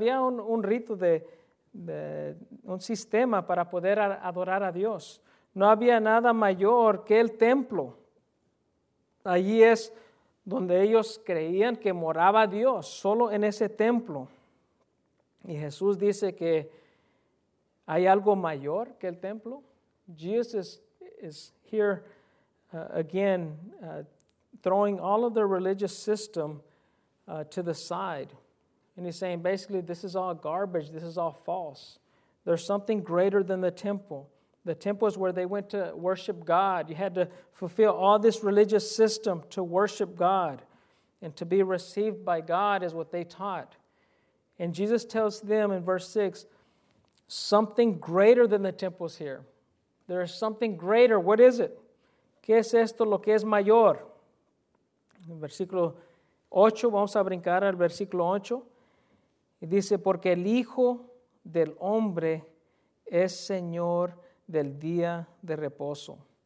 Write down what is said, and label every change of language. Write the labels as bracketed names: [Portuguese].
[Spanish] Había un rito de un sistema para poder adorar a Dios. No había nada mayor que el templo. Allí es donde ellos creían que moraba Dios, solo en ese templo. Y Jesús dice que hay algo mayor que el templo. [English] Jesus is here again throwing all of the religious system to the side. And he's saying basically this is all garbage, this is all false. There's something greater than the temple. The temple is where they went to worship God. You had to fulfill all this religious system to worship God and to be received by God is what they taught. And Jesus tells them in verse 6, something greater than the temple is here. There is something greater. What is it? [Spanish] ¿Qué es esto lo que es mayor? En versículo 8, vamos a brincar al versículo 8. Y dice, porque el Hijo del Hombre es Señor del día de reposo.